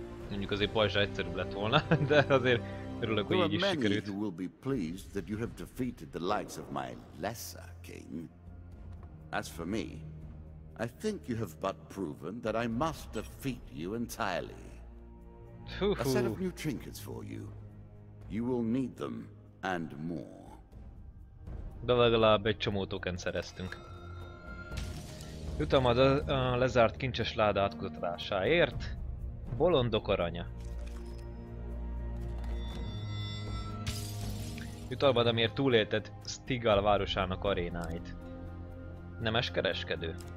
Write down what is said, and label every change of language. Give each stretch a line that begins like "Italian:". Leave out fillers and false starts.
Hungarian: Mondjuk azért pajzsa egyszerűbb lett volna, de azért örülök, hogy így is sikerült.
English: There are many who will be pleased that you have defeated the likes of my lesser king. As for me, I think you have but proven that I must defeat you entirely. A set of new trinkets for you. You will need them and more.
Hungarian: De legalább egy csomó tokent szereztünk. Jutalmad a lezárt kincses láda átkutatásáért. Bolondok aranya. Jutalmad, amiért túlélted Stigall városának arénáit. Nemes kereskedő.